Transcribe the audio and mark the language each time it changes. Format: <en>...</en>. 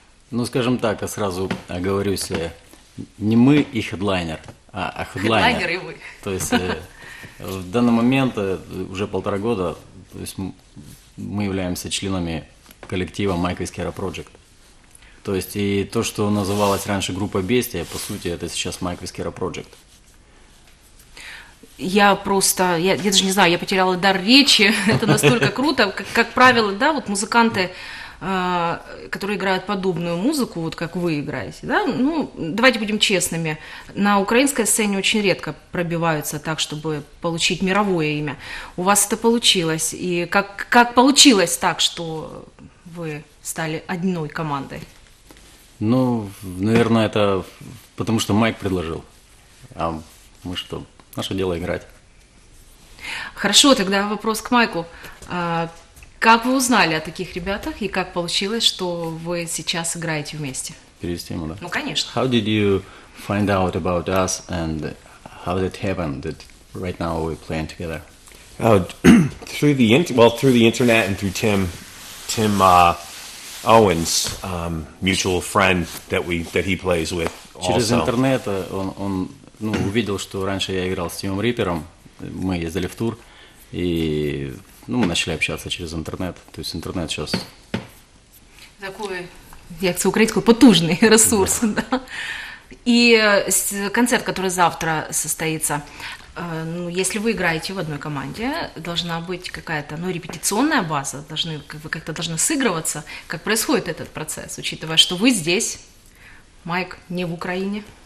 <uk>Ну, скажімо так, я сразу оговорюся, не ми і хедлайнер, а хедлайнер. Хедлайнер і ви. Тобто, в даний момент, вже півтора року, ми є членами колективу «Майк Віскера Проджект».</uk> <ru>То есть и то, что называлось раньше группа «Бестия», по сути, это сейчас «Майк Віскера Проджект». Я просто, я даже не знаю, я потеряла дар речи, это настолько круто. Как правило, да, вот музыканты, которые играют подобную музыку, вот как вы играете, да, ну, давайте будем честными, на украинской сцене очень редко пробиваются так, чтобы получить мировое имя. У вас это получилось, и как получилось так, что вы стали одной командой? Ну, наверное, это потому что Майк предложил, а мы что, наше дело играть. Хорошо, тогда вопрос к Майку. Как вы узнали о таких ребятах и как получилось, что вы сейчас играете вместе? Перевести ему, да? Ну, конечно.</ru> <en>How did you find out about us and how did it happen that right now we're playing together? Through the internet and through Tim Owens, mutual friend that he plays with. Also.</en> <ru>Через интернет он ну, увидел, что раньше я играл с Тимом Рипером, мы ездили в тур, и ну, мы начали общаться через интернет. То есть интернет сейчас...</ru> <uk>Такой, як це українською, потужний ресурс.</uk> <ru>Да. И концерт, который завтра состоится, ну, если вы играете в одной команде, должна быть какая-то, ну, репетиционная база, должны, вы как-то должны сыгрываться. Как происходит этот процесс, учитывая, что вы здесь, Майк не в Украине?</ru>